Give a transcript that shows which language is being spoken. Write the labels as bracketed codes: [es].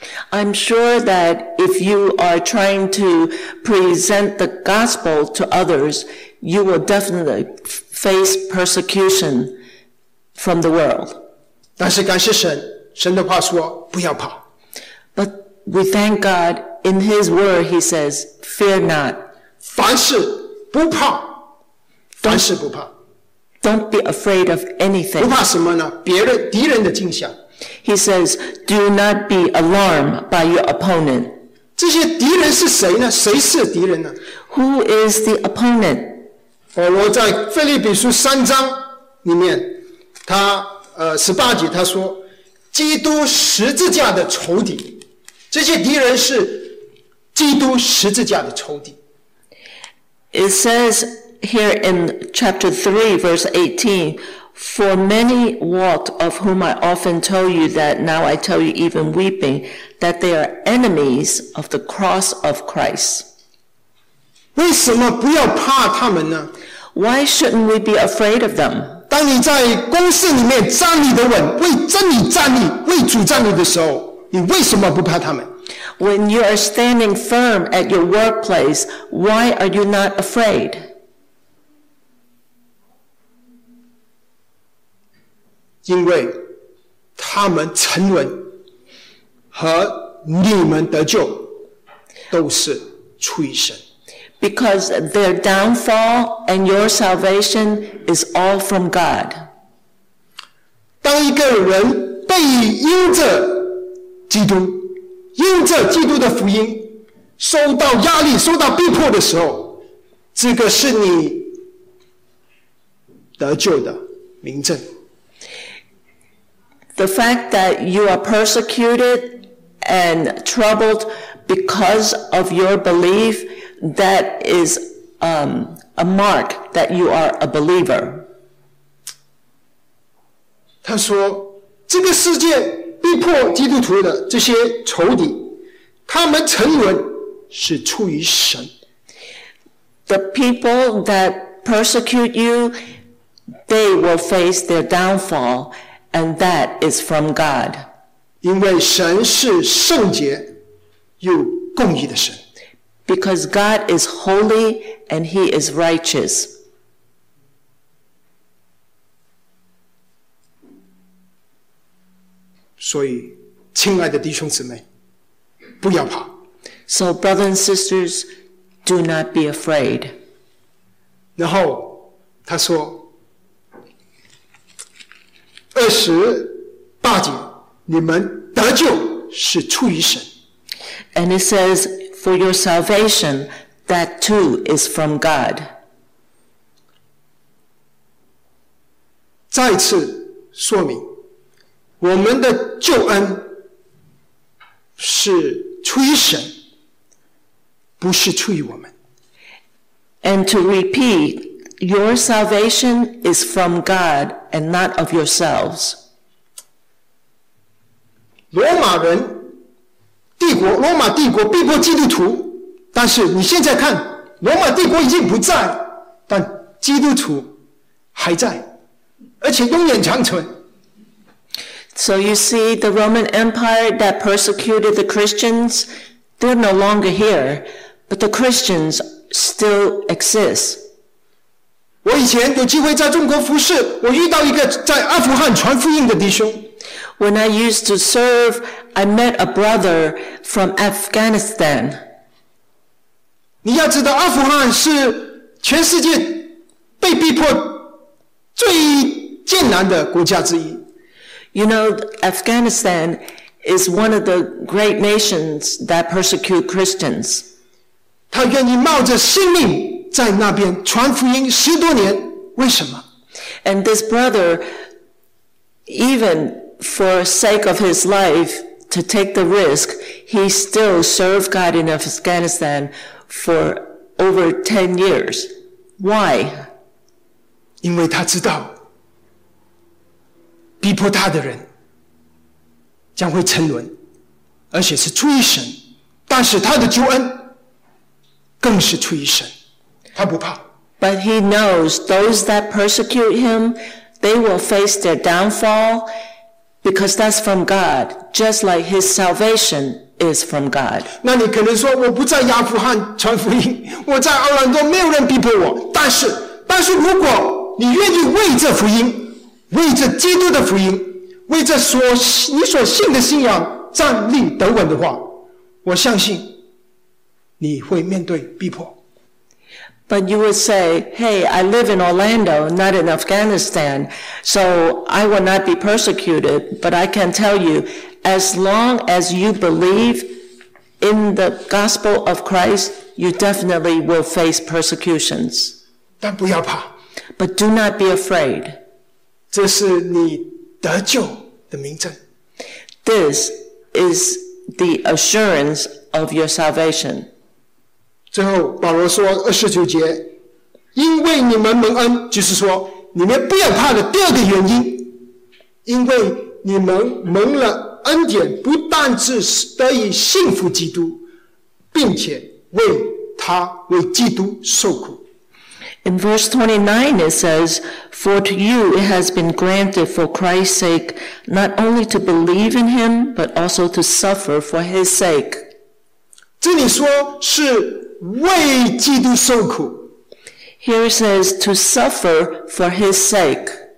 [en] I'm sure that if you are trying to present the gospel to others, you will definitely face persecution from the world. [zh] 但是感谢神，神的话说不要怕。 [en] But we thank GodIn his word, he says, fear not. [zh] 凡事不怕。凡事不怕。 [en] Don't be afraid of anything. [zh] 不怕什么呢？别人，敌人的惊吓。 [en] He says, do not be alarmed by your opponent. [zh] 这些敌人是谁呢？谁是敌人呢？ [en] Who is the opponent? [zh] 保罗在腓立比书三章里面，他十八节他说，基督十字架的仇敌。这些敌人是基督十字架的仇敌。 [en] It says here in chapter 3, verse 18, For many walked of whom I often told you that now I tell you even weeping, that they are enemies of the cross of Christ. [zh] 为什么不要怕他们呢？ [en] Why shouldn't we be afraid of them? [zh] 当你在公司里面站立得稳，为真理站立，为主站立的时候，你为什么不怕他们？ [en] When you are standing firm at your workplace, why are you not afraid? [zh] 因为他们沉沦和你们得救都是出于神。 [en] Because their downfall and your salvation is all from God. [zh] 当一个人被因着基督，因着基督的福音受到压力、受到逼迫的时候，这个是你得救的明证。 [en] The fact that you are persecuted and troubled because of your belief, that is a mark that you are a believer. [zh] 他说，这个世界逼迫基督徒的这些仇敌，他们沉沦是出于神。 [en] The people that persecute you, they will face their downfall, and that is from God. [zh] 因为神是圣洁又公义的神。 [en] Because God is holy and He is righteous. [zh] 所以，亲爱的弟兄姊妹，不要怕。 [en] So, brothers and sisters, do not be afraid. [zh] 然后他说，28节，你们得救是出于神。 [en] And it says, for your salvation, that too is from God. [zh] 再次说明，我们的救恩是出于神，不是出于我们。 [en] And to repeat, your salvation is from God and not of yourselves. [zh] 罗马帝国逼迫基督徒，但是你现在看，罗马帝国已经不在，但基督徒还在，而且永远长存。 [en] So you see, the Roman Empire that persecuted the Christians, they're no longer here, but the Christians still exist. [zh] 我以前有机会在中国服事，我遇到一个在阿富汗传福音的弟兄。 [en] When I used to serve, I met a brother from Afghanistan. [zh] 你要知道，阿富汗是全世界被逼迫最艰难的国家之一。 [en] You know, Afghanistan is one of the great nations that persecute Christians. [zh] 他愿意冒着性命在那边传福音十多年，为什么？ [en] And this brother, even for sake of his life, to take the risk, he still served God in Afghanistan for over 10 years. Why? [zh] 因为他知道逼迫他的人将会沉沦，而且是出于神，但是他的救恩更是出于神，他不怕。 [en] But he knows those that persecute him, they will face their downfall because that's from God, just like his salvation is from God. [zh] 那你可能说，我不在亚富汗传福音，我在奥兰多没有人逼迫我，但是如果你愿意为这福音，为着基督的福音，为着所你所信的信仰站立得稳的话，我相信你会面对逼迫。 [en] But you would say, hey, I live in Orlando, not in Afghanistan, so I will not be persecuted, but I can tell you, as long as you believe in the gospel of Christ, you definitely will face persecutions. [zh] 但不要怕。 [en] But do not be afraid. [zh] 这是你得救的明证。 [en] This is the assurance of your salvation. [zh] 最后保罗说29节，因为你们蒙恩，就是说你们不要怕的第二个原因，因为你们蒙了恩典，不但是得以信服基督，并且为他为基督受苦。 [en] In verse 29 it says, For to you it has been granted for Christ's sake not only to believe in him, but also to suffer for his sake. [zh] 这里说是为基督受苦。 [en] Here it says to suffer for his sake.